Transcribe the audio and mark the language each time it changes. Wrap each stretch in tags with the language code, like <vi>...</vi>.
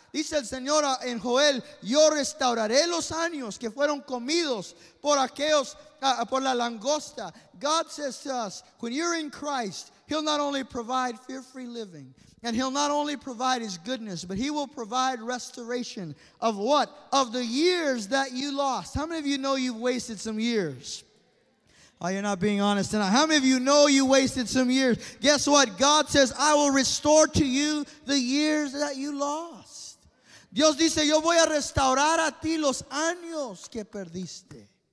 <es>Dice el Señor en Joel, yo restauraré los años que fueron comidos por aquellos, por la langosta.</es> <en>God says to us, when you're in Christ, he'll not only provide fear-free living, and he'll not only provide his goodness, but he will provide restoration of what? Of the years that you lost. How many of you know you've wasted some years? Oh, you're not being honest tonight. How many of you know you wasted some years? Guess what? God says, I will restore to you the years that you lost.</en> <es>Dios dice, yo voy a restaurar a ti los años que perdiste.</es>